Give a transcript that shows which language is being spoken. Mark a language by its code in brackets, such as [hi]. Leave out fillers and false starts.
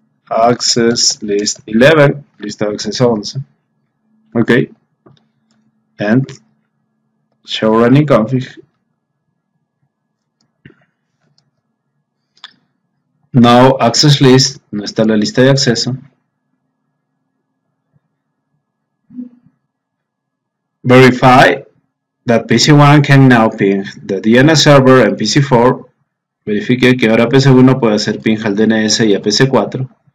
[en] Access list 11. [es] Lista de acceso 11. [en] Okay. And show running config. Now access list, [es] no está la lista de acceso. [en] Verify that PC1 can now ping the DNS server and PC4. [es] Verifique que ahora PC1 puede hacer ping al DNS y a PC4.